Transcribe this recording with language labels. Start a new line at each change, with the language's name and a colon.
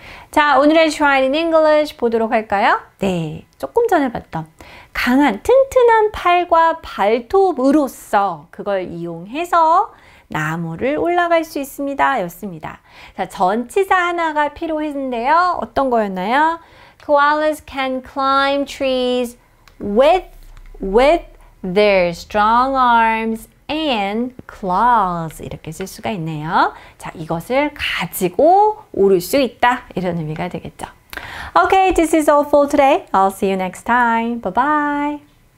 Korean: 자, 오늘의
English: shrine in English
Korean: 보도록 할까요? 네, 조금 전에 봤던 강한, 튼튼한 팔과 발톱으로서 그걸 이용해서 나무를 올라갈 수 있습니다. 였습니다. 자, 전치사 하나가 필요했는데요. 어떤 거였나요?
English: Koalas can climb trees with their strong arms and claws.
Korean: 이렇게 쓸 수가 있네요. 자, 이것을 가지고 오를 수 있다. 이런 의미가 되겠죠.
English: Okay, this is all for today. I'll see you next time. Bye-bye.